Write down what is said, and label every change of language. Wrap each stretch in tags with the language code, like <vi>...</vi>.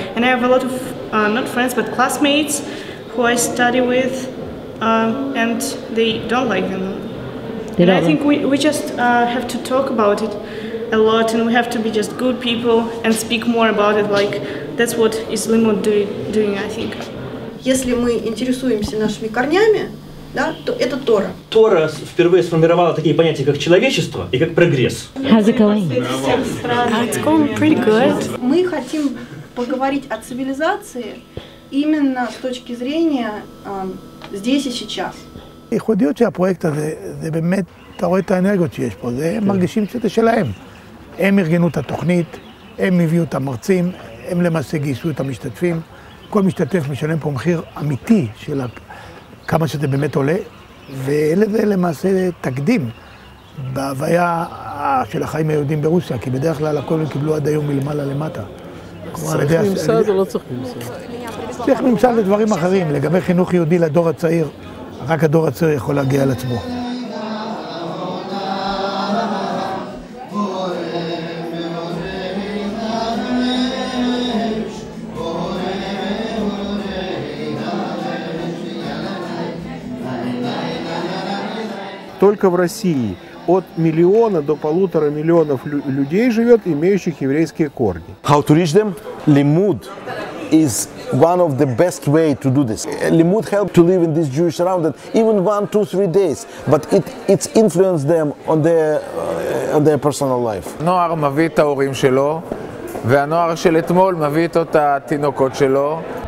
<en>And I have a lot of, not friends, but classmates who I study with, and they don't like them. And I think we just have to talk about it a lot, and we have to be just good people and speak more about it. Like, that's what is Limud doing, I think.</en> <ru>Если мы интересуемся нашими корнями, да, то это Тора. Тора впервые сформировала такие понятия, как человечество и как прогресс.</ru> <en>How's it going? It's going pretty good.</en> <ru>Мы хотим поговорить о цивилизации именно с точки зрения здесь и сейчас.</ru> <he>ייחודיות של הפרויקט הזה, זה באמת, אתה רואה את האנרגיות שיש פה, זה הם מרגישים שזה שלהם. הם ארגנו את התוכנית, הם הביאו את המרצים, הם למעשה גייסו את המשתתפים. כל משתתף משלם פה מחיר אמיתי של כמה שזה באמת עולה, וזה למעשה תקדים בהוויה של החיים היהודים ברוסיה, כי בדרך כלל הכל הם קיבלו עד היום מלמעלה למטה. צריך ממסד או לא צריך ממסד? צריך ממסד לדברים אחרים, לגבי חינוך יהודי לדור הצעיר. רק הדור הצעיר יכול להגיע על עצמו.</he> <ru>Только в России от миллиона до полутора миллионов людей живет, имеющих еврейские корни.</ru> <en>How to reach them? Limud is one of the best way to do this. Limud helped to live in this Jewish surrounded even 1-3 days, but it's influenced them on their personal life.</en> <he>נוער מביא את ההורים שלו, והנוער של אתמול מביא איתו את התינוקות שלו.</he>